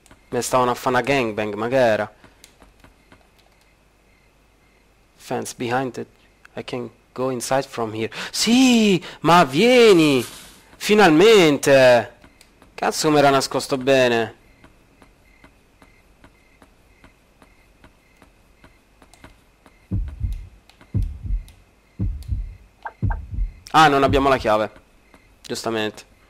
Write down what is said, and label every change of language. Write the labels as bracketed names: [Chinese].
[Italian] Mi stavano a fare una gangbang, ma che era? [English] Fence behind it. I can go inside from here. [Italian] Sì, ma vieni! [English] Fence [Italian] Finalmente! Cazzo, com'era nascosto bene! Ah, non abbiamo la chiave. Giustamente.